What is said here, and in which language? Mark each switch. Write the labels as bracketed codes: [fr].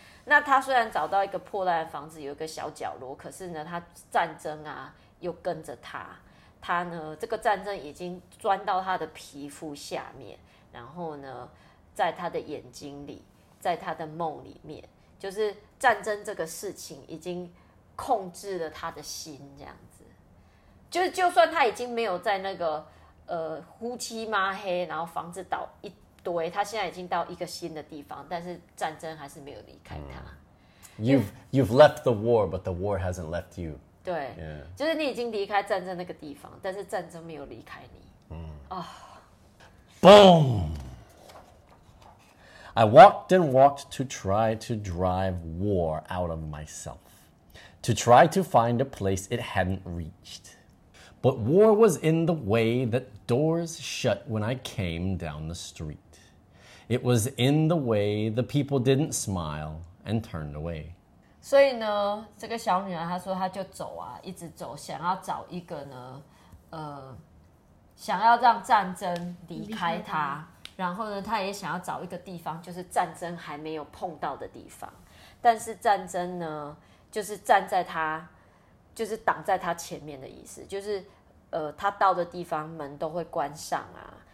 [zh] 那他虽然找到一个破烂的房子，有一个小角落，可是呢，他战争啊又跟着他，他呢这个战争已经钻到他的皮肤下面，然后呢，在他的眼睛里，在他的梦里面，就是战争这个事情已经控制了他的心，这样子，就算他已经没有在那个乌漆抹黑，然后房子倒一。对，他现在已经到一个新的地方，但是战争还是没有离开他。 Mm. [en] You've left the war, but the war hasn't left you. [zh] 对， [en] yeah. [zh] 就是你已经离开战争那个地方，但是战争没有离开你。 [en] Oh. Boom! I walked and walked to try to drive war out of myself, to try to find a place it hadn't reached. But war was in the way that doors shut when I came down the street. It was in the way the people didn't smile and turned away. [zh] 所以呢，这个小女孩她说她就走啊，一直走，想要找一个呢，想要让战争离开她。然后呢，她也想要找一个地方，就是战争还没有碰到的地方。但是战争呢，就是站在她，就是挡在她前面的意思，就是她到的地方门都会关上啊。